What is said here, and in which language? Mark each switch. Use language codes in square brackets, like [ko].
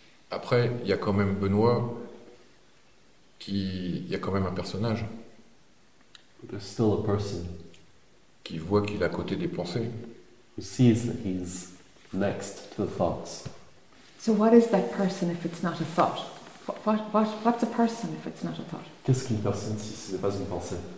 [fr] Après, il y a quand même Benoît qui... Il y a quand même un personnage. [en] There's still a person. [fr] Qui voit qu'il est à côté des pensées. [en] Who sees that he's next to the thoughts. So what is that person if it's not a thought? What's a person if it's not a thought? [fr] Qu'est-ce qu'une personne si ce n'est pas une pensée?